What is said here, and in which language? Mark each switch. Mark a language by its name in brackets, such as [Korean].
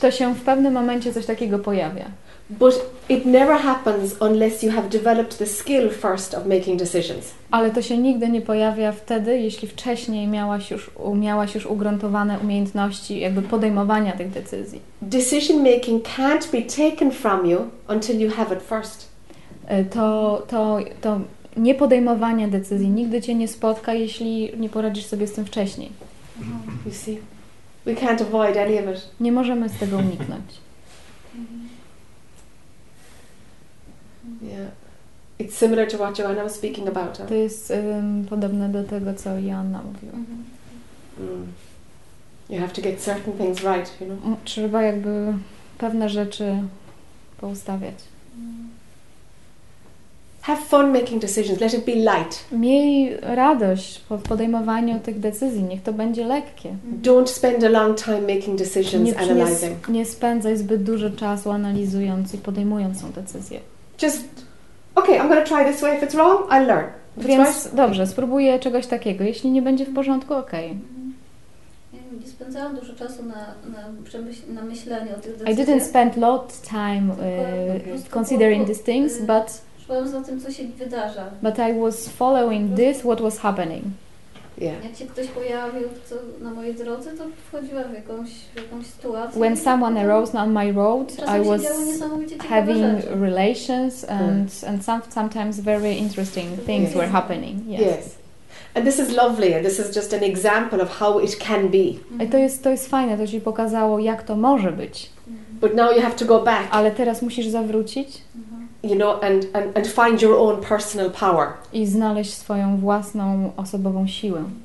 [Polish] To się w pewnym momencie coś takiego pojawia. [English] But it never happens unless you have developed the skill first of making decisions. [Polish] Ale to się nigdy nie pojawia wtedy, jeśli wcześniej miałaś już ugruntowane umiejętności jakby podejmowania tych decyzji. [English] Decision making can't be taken from you until you have it first. [Polish] To nie podejmowanie decyzji nigdy cię nie spotka, jeśli nie poradzisz sobie z tym wcześniej. [English] You see? We can't avoid any of it. [Polish] Nie możemy z tego uniknąć. [English] Yeah. It's similar to what Joanna was speaking about. [Polish] To jest podobne do tego, co Joanna mówiła. [English] You have to get certain things right, you know. [Polish] Trzeba jakby pewne rzeczy poustawiać. [English] Have fun making decisions. Let it be light. [Polish] Miej radość po podejmowaniu tych decyzji. Niech to będzie lekkie. [English] Don't spend a long time making decisions, analyzing. [Polish] Nie spędzaj zbyt dużo czasu analizując i podejmując tą decyzję. [English] Just okay. I'm gonna try this way. If it's wrong, I'll learn. If [Polish] Więc [English] right, [Polish] dobrze. Spróbuję czegoś takiego. Jeśli nie będzie w porządku, okej. [English] Okay. [Polish] Nie spędzałam dużo czasu na myśleniu o tych decyzjach. [English] I didn't spend lot time considering these things, but [Polish] szłam za tym, co się wydarza. [English] But I was following this, what was happening. Yeah. [Polish] Jak się ktoś pojawił na mojej drodze, to wchodziłam w jakąś sytuację. [English] When someone arose on my road, I was having relations and sometimes very interesting things were happening. Yes. And this is lovely. This is just an example of how it can be. [Polish] A to jest fajne, to ci pokazało, jak to może być. [English] But now you have to go back. [Polish] Ale teraz musisz zawrócić. [English] You know, and find your own personal power. [Polish] I znaleźć swoją własną osobową siłę.